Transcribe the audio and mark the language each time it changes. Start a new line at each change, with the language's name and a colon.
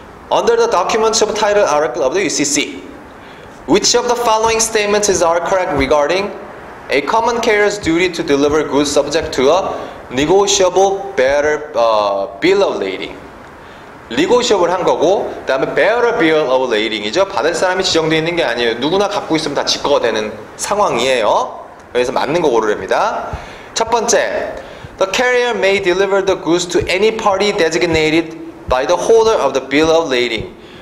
English: Under the documents of title article of the UCC, which of the following statements are correct regarding a common carrier's duty to deliver goods subject to a negotiable bearer bill of lading?
Korean: Negotiable 한 거고, 그 다음에 bearer bill of lading이죠. 받을 사람이 지정되어 있는 게 아니에요. 누구나 갖고 있으면 다 지꺼가 되는 상황이에요. 그래서 맞는 거 고르랍니다. 첫 번째,
English: the carrier may deliver the goods to any party designated by the holder of the bill of lading.